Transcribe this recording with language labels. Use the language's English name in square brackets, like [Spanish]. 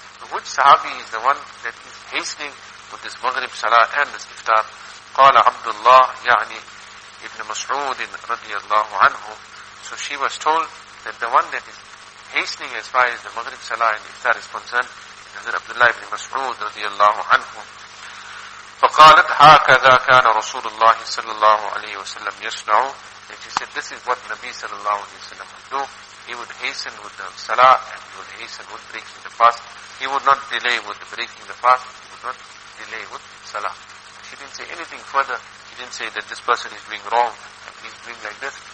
[English] So which sahabi is the one that is hastening with this Maghrib Salah and this Iftar? [Arabic] Qala Abdullah, ya'ni Ibn Mas'ud radiallahu anhu. [English] So she was told that the one that is hastening as far as the Maghrib Salah and Iftar is concerned, Hazrat Abdullah ibn Mas'ud radiallahu anhu. [Arabic] فقالت هكذا كان رسول الله صلى الله عليه وسلم يصنع. [English] And she said, this is what Nabi صلى الله عليه وسلم would do. He would hasten with the salah and he would hasten with breaking the fast. He would not delay with breaking the fast. He would not delay with salah. She didn't say anything further. She didn't say that this person is doing wrong and he's doing like this.